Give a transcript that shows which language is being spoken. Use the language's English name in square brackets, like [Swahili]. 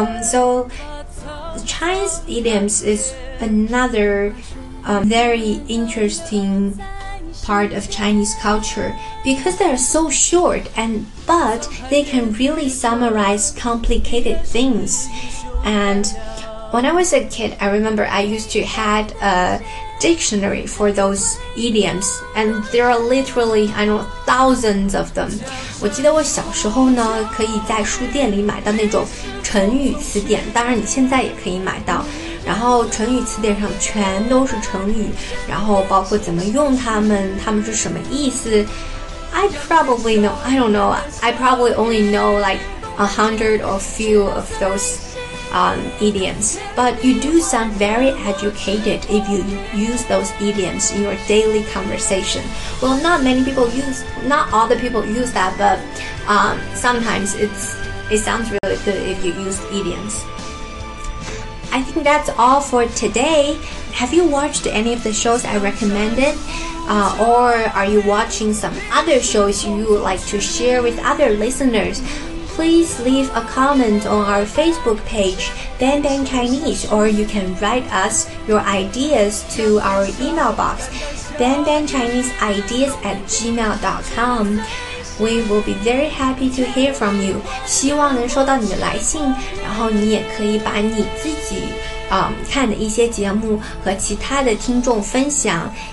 [English] So Chinese idioms is another very interesting part of Chinese culture because they are so short andBut they can really summarize complicated things. And when I was a kid, I remember I used to had a dictionary for those idioms. And there are literally, I know, thousands of them. [Chinese] 我记得我小时候呢，可以在书店里买到那种成语词典。当然，你现在也可以买到。然后成语词典上全都是成语，然后包括怎么用它们，它们是什么意思。 [English] I probably only know like 100 or few of those idioms. But you do sound very educated if you use those idioms in your daily conversation. Well, not all the people use that, but sometimes it sounds really good if you use idioms. I think that's all for today. Have you watched any of the shows I recommended? Or are you watching some other shows you would like to share with other listeners? Please leave a comment on our Facebook page, Banban Chinese, or you can write us your ideas to our email box, banbanchineseideas@gmail.com. We will be very happy to hear from you. [Chinese] 希望能收到你的来信，然后你也可以把你自己、看的一些节目和其他的听众分享。